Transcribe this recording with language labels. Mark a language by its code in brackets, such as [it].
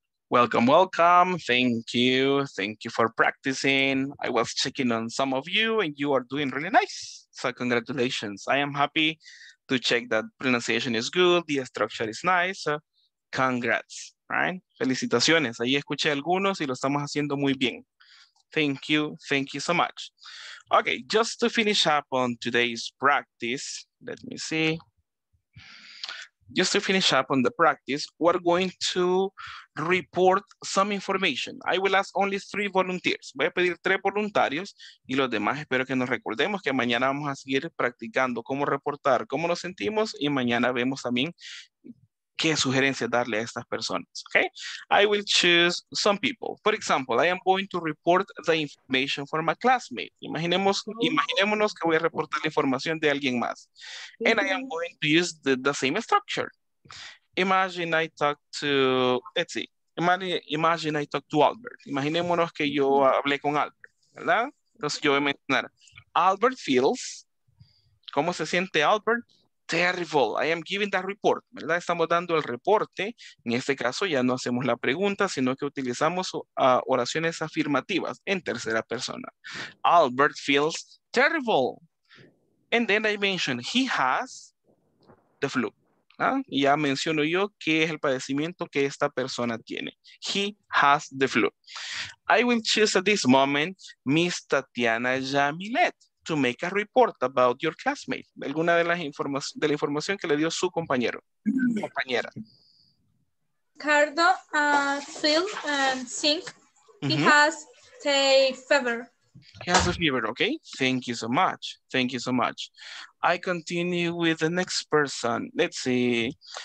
[en] Welcome, welcome. Thank you. Thank you for practicing. I was checking on some of you and you are doing really nice. So congratulations. I am happy to check that pronunciation is good. The structure is nice. So congrats, right? [es] Felicitaciones. Ahí escuché algunos y lo estamos haciendo muy bien. [en] Thank you. Thank you so much. Okay, just to finish up on today's practice, let me see. Just to finish up on the practice, we're going to report some information. I will ask only 3 volunteers. [es] Voy a pedir 3 voluntarios y los demás espero que nos recordemos que mañana vamos a seguir practicando cómo reportar, cómo nos sentimos y mañana vemos también qué sugerencias darle a estas personas. Okay? [en] I will choose some people. For example, I am going to report the information from a classmate. [es] Imaginémonos que voy a reportar la información de alguien más. [en] And I am going to use the same structure. Imagine I talk to Albert. [es] Imaginémonos que yo hablé con Albert, ¿verdad? Entonces yo voy a mencionar, [en] Albert feels, [es] ¿cómo se siente Albert? [en] Terrible, I am giving that report, [es] ¿verdad? Estamos dando el reporte, en este caso ya no hacemos la pregunta, sino que utilizamos oraciones afirmativas en tercera persona. [en] Albert feels terrible. And then I mention he has the flu. [es] Y ya menciono yo qué es el padecimiento que esta persona tiene. [en] He has the flu. I will choose at this moment Miss Tatiana Jamilet to make a report about your classmate. [es] Alguna de las informaciones de la información que le dio su compañero. Compañera. [en] Ricardo feels and sick. He has a fever, okay? Thank you so much. Thank you so much. I continue with the next person. Let's see.